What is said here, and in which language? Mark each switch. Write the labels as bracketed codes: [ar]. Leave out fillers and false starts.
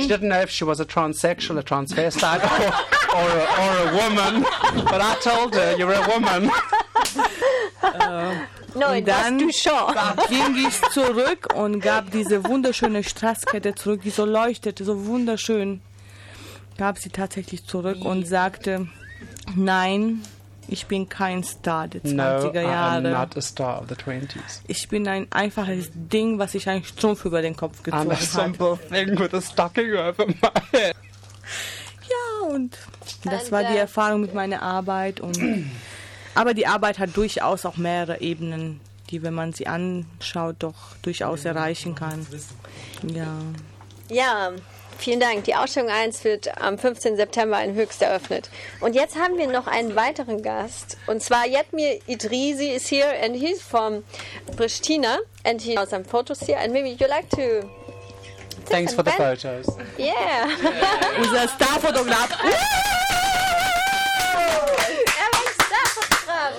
[en] She didn't know if she was a transsexual, a transvestite or a woman, but I told her, you're a woman. No, it [de] dann [en] was too short. [de] Ging ich zurück und gab diese wunderschöne Straßkette zurück, die so leuchtete, so wunderschön, gab sie tatsächlich zurück und sagte, nein, ich bin kein Star der 20er Jahre. [en] No, I am not a star of the 20s. [de] Ich bin ein einfaches Ding, was sich einen Strumpf über den Kopf gezogen hat. [en] I'm a simple thing with a stocking over my head. [de] Ja, und das war die Erfahrung mit meiner Arbeit. Und aber die Arbeit hat durchaus auch mehrere Ebenen, die, wenn man sie anschaut, doch durchaus erreichen kann. Ja. Ja. Vielen Dank. Die Ausstellung 1 wird am 15. September in Höchst eröffnet. Und jetzt haben wir noch einen weiteren Gast. Und zwar [en] Yetmir Idrisi is here and he's from Pristina and he has some photos here. And maybe you like to... Thanks for the photos. Yeah. [de] Unser Star-Fotograf. Er war Star-Fotograf.